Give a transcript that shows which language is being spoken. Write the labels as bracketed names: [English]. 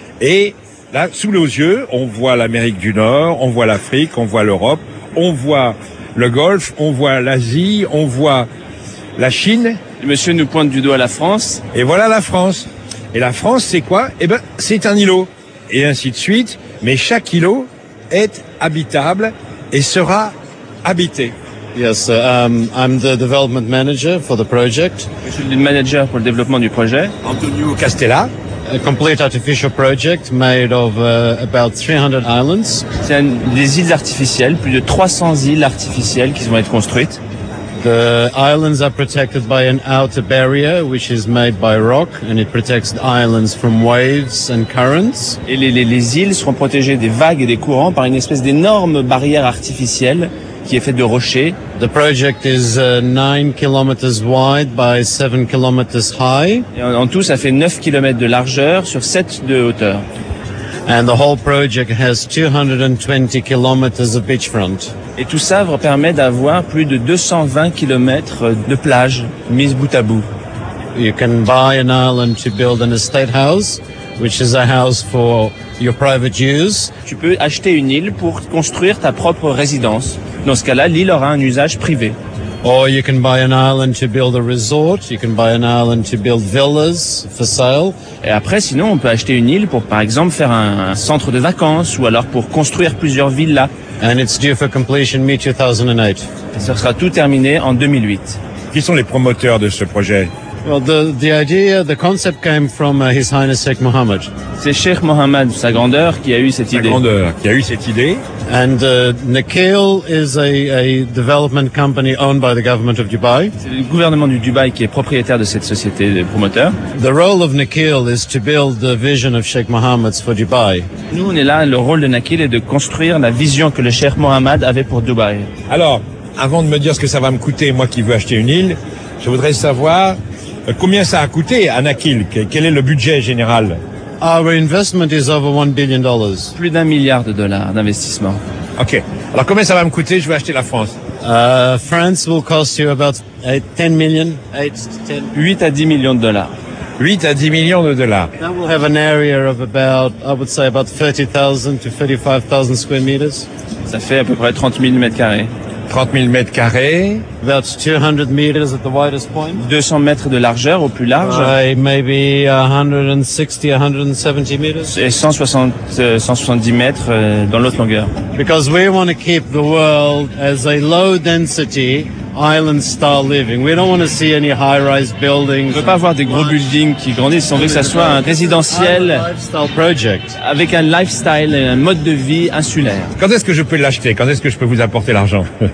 [French] Et là, sous nos yeux, on voit l'Amérique du Nord, on voit l'Afrique, on voit l'Europe, on voit le Golfe, on voit l'Asie, on voit la Chine. Monsieur nous pointe du doigt la France. Et voilà la France. Et la France, c'est quoi? Eh ben, c'est un îlot. Et ainsi de suite. Mais chaque îlot est habitable et sera habité. [English] Yes, I'm the development manager for the project. [French] Je suis le manager pour le développement du projet. Antonio Castella. [English] A complete artificial project made of about 300 islands. [French] C'est des îles artificielles, plus de 300 îles artificielles qui vont être construites. [English] The islands are protected by an outer barrier which is made by rock and it protects the islands from waves and currents. [French] Et les îles seront protégées des vagues et des courants par une espèce d'énorme barrière artificielle qui est faite de rochers. [English] The project is 9 kilometers wide by 7 kilometers high. [French] Et en tout ça fait 9 kilomètres de largeur sur 7 de hauteur. [English] And the whole project has 220 kilometers of beachfront. [French] Et tout ça permet d'avoir plus de 220 km de plage mise bout à bout. [English] You can buy an island to build an estate house, which is a house for your private use. [French] Tu peux acheter une île pour construire ta propre résidence. Dans ce cas-là, l'île aura un usage privé. [English] Or you can buy an island to build a resort. You can buy an island to build villas for sale. [French] Et après, sinon, on peut acheter une île pour, par exemple, faire un centre de vacances ou alors pour construire plusieurs villas. [English] And it's due for completion mid-2008. [French] Ça sera tout terminé en 2008. Qui sont les promoteurs de ce projet? [English] Well, the idea, the concept came from His Highness Sheikh Mohammed. [French] C'est Sheikh Mohammed, sa grandeur, qui a eu cette idée. Sa grandeur, qui a eu cette idée. [English] And Nakheel is a development company owned by the government of Dubai. [French] C'est le gouvernement du Dubaï qui est propriétaire de cette société de promoteurs. [English] The role of Nakheel is to build the vision of Sheikh Mohammed for Dubai. [French] Nous, on est là, le rôle de Nakheel est de construire la vision que le Sheikh Mohammed avait pour Dubaï. Alors, avant de me dire ce que ça va me coûter, moi qui veux acheter une île, je voudrais savoir combien ça a coûté à Nakheel? Quel est le budget général? [English] Our investment is over $1 billion. [French] Plus d'un milliard de dollars d'investissement. Ok. Alors combien ça va me coûter? Je vais acheter la France. [English] France will cost you about 10 million. [French] 8 à 10 millions de dollars. 8 à 10 millions de dollars. [English] That will have an area of about, I would say, about 30,000 to 35,000 square meters. [French] Ça fait à peu près 30 000 mètres carrés. 30 000 mètres carrés. [English] That's 200 meters at the widest point. [French] 200 mètres de largeur au plus large. [English] Maybe 160, 170 meters. [French] Et 170 mètres dans l'autre longueur. [English] Because we want to keep the world as a low density island style living. We don't want to see any high rise buildings. [French] On veut pas voir des gros buildings qui grandissent. On veut que ça soit un résidentiel avec un lifestyle, un mode de vie insulaire. Quand est-ce que je peux l'acheter? Quand est-ce que je peux vous apporter l'argent?